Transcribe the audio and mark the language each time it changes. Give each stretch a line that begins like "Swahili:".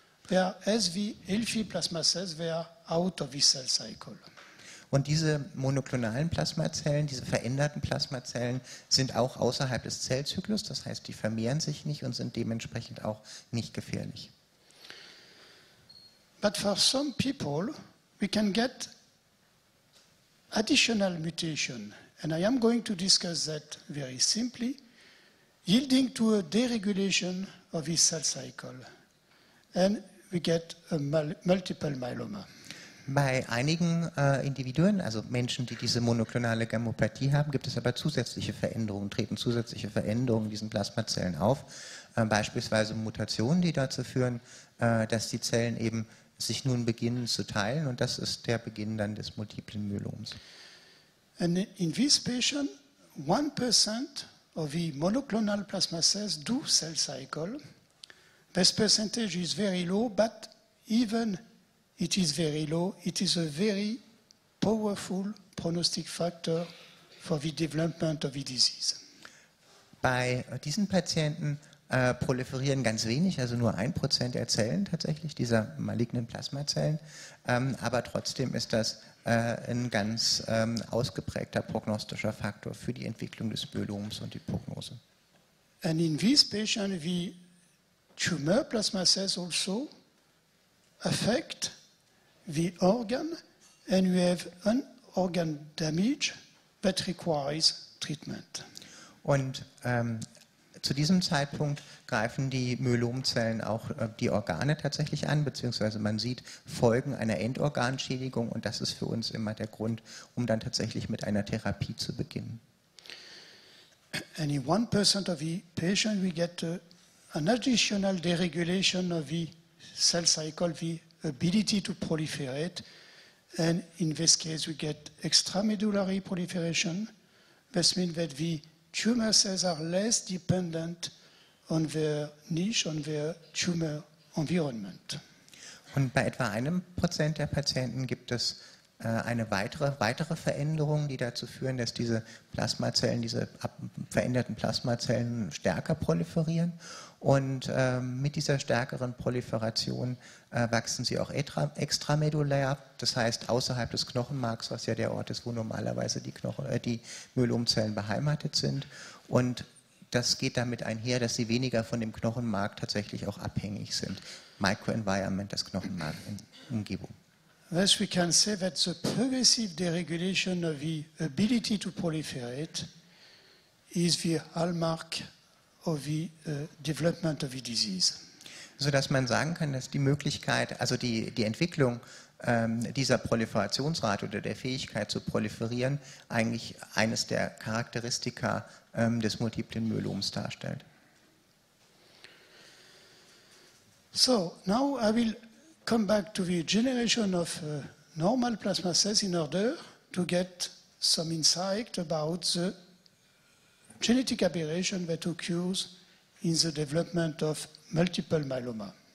English: They are, as the healthy plasma cells, they are out of the cell cycle.
German: Und diese monoklonalen Plasmazellen, diese veränderten Plasmazellen, sind auch außerhalb des Zellzyklus, das heißt, die vermehren sich nicht und sind dementsprechend auch nicht gefährlich.
English: But for some people, we can get additional mutation, and I am going to discuss that very simply, yielding to a deregulation of the cell cycle, and we get a multiple myeloma.
German: Bei einigen Individuen, also Menschen, die diese monoklonale Gammopathie haben, gibt es aber zusätzliche Veränderungen, treten zusätzliche Veränderungen in diesen Plasmazellen auf. Beispielsweise Mutationen, die dazu führen, dass die Zellen eben sich nun beginnen zu teilen. Und das ist der Beginn dann des multiplen Myeloms.
English: And in this patient, 1% of the monoclonal plasma cells do cell cycle. This percentage is very low, but even it is very low. It is a very powerful prognostic factor for the development of the disease.
German: Bei diesen Patienten Proliferieren ganz wenig, also nur 1% der Zellen tatsächlich, dieser malignen Plasmazellen. Aber trotzdem ist das ein ganz ausgeprägter prognostischer Faktor für die Entwicklung des Myeloms und die Prognose.
English: And in these patients, the tumor plasma cells also affect the organ, and we have an organ damage that requires treatment.
German: Und zu diesem Zeitpunkt greifen die Myelomzellen auch die Organe tatsächlich an, beziehungsweise man sieht Folgen einer Endorganschädigung, und das ist für uns immer der Grund, um dann tatsächlich mit einer Therapie zu beginnen.
English: And in 1% of the patient we get an additional deregulation of the cell cycle, the ability to proliferate, and in this case we get extramedullary proliferation. This means that the tumor cells are less dependent on their niche, on their tumor environment.
German: Und bei etwa 1% der Patienten gibt es eine weitere Veränderung, die dazu führen, dass diese Plasmazellen, diese veränderten Plasmazellen stärker proliferieren. Und mit dieser stärkeren Proliferation wachsen sie auch extramedullär, das heißt außerhalb des Knochenmarks, was ja der Ort ist, wo normalerweise die Myelomzellen beheimatet sind. Und das geht damit einher, dass sie weniger von dem Knochenmark tatsächlich auch abhängig sind. Microenvironment, das Knochenmarkumgebung.
English: Thus we can say that the progressive deregulation of the ability to proliferate is the hallmark of the development of the disease.
German: So dass man sagen kann, dass die Möglichkeit, also die Entwicklung dieser Proliferationsrate oder der Fähigkeit zu proliferieren, eigentlich eines der Charakteristika des multiplen Myeloms darstellt.
English: So, now I will come back to the generation of normal plasma cells in order to get some insight about the genetic aberration that occurs in the development of multiple myeloma.